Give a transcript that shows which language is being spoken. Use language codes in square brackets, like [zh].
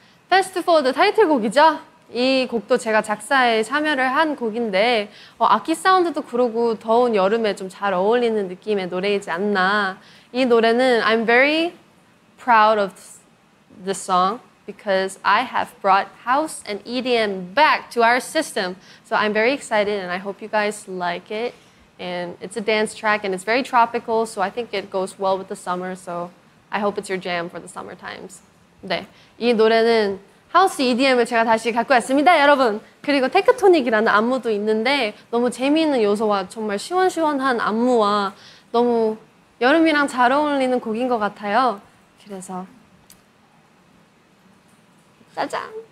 [ko] 패스트포워드 타이틀곡이죠? 이 곡도 제가 작사에 참여를 한 곡인데 악기 사운드도 그러고 더운 여름에 좀 잘 어울리는 느낌의 노래이지 않나. 이 노래는 [en] I'm very proud of the song because I have brought house and EDM back to our system. So I'm very excited and I hope you guys like it. And it's a dance track and it's very tropical so I think it goes well with the summer. So I hope it's your jam for the summer times. [ko] 네, 이 노래는 하우스 EDM을 제가 다시 갖고 왔습니다, 여러분! 그리고 테크토닉이라는 안무도 있는데 너무 재미있는 요소와 정말 시원시원한 안무와 너무 여름이랑 잘 어울리는 곡인 것 같아요. 그래서 짜잔!